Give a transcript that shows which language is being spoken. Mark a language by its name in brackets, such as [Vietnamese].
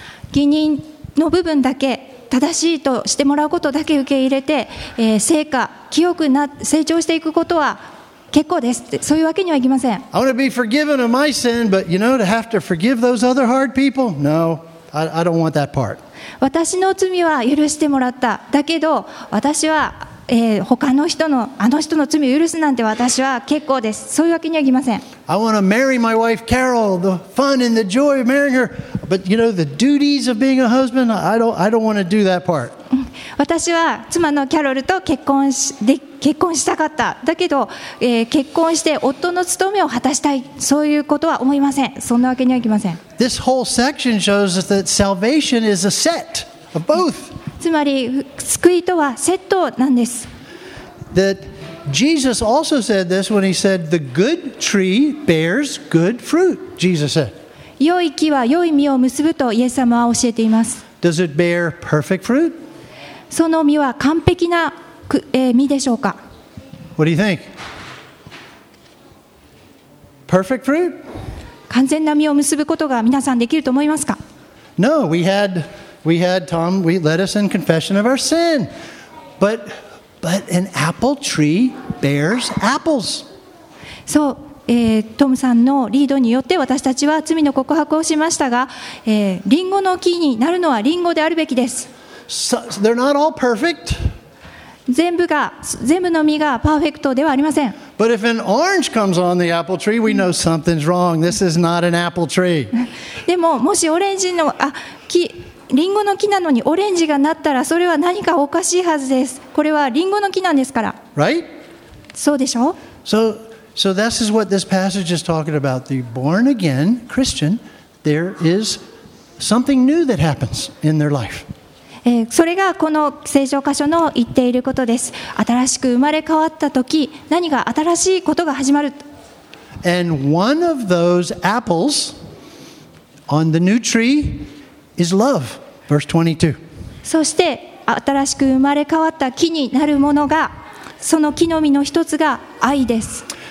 [Japanese] Ginin の部分だけ、正しいとしてもらうことだけ受け入れて、成果、清くな、成長していくことは、結構です。そういうわけにはいきません。 [English] I want to be forgiven of my sin, but you know, to have to forgive those other hard people? No, I don't want that part. [Japanese] 私の罪は許してもらった。だけど、私は、他の人の、あの人の罪を許すなんて私は結構です。そういうわけにはいきません。 [English] I want to marry my wife, Carol, the fun and the joy of marrying her. But you know, the duties of being a husband, I don't want to do that part. [Japanese] 私は妻のキャロルと結婚したかった。だけど、結婚して夫の務めを果たしたい、そういうことは思いません。そんなわけにはいきません。 [English] This whole section shows us that salvation is a set of both. [Japanese] つまり救いとはセットなんです。 [English] That Jesus also said this when he said, "The good tree bears good fruit." Jesus said, [Japanese] 良い木は良い実を結ぶとイエス様は教えています。 [English] Does it bear perfect fruit? [Japanese] その実は完璧な、実でしょうか? [English] What do you think? Perfect fruit? [Japanese] 完全な実を結ぶことが皆さんできると思いますか? [English] No, we had Tom, we led us in confession of our sin. But an apple tree bears apples. [Japanese] そう、トムさんのリードによって私たちは罪の告白をしましたが、リンゴの木になるのはリンゴであるべきです。 [English] So, they're not all perfect. [Japanese] 全部の実がパーフェクトではありません。 [English] But if an orange comes on the apple tree, we know something's wrong. This is not an apple tree. [Japanese] でももしオレンジの、リンゴの木なのにオレンジがなったらそれは何かおかしいはずです。これはリンゴの木なんですから。 [English] Right? [Japanese] そうでしょ? [English] So this is what this passage is talking about. The born again Christian, there is something new that happens in their life. [Japanese] それがこの聖書箇所の言っていることです。新しく生まれ変わったとき、何か新しいことが始まる。 [English] And one of those apples on the new tree is love, verse 22. [Japanese] そして新しく生まれ変わった木になるものが、その木の実の一つが愛です。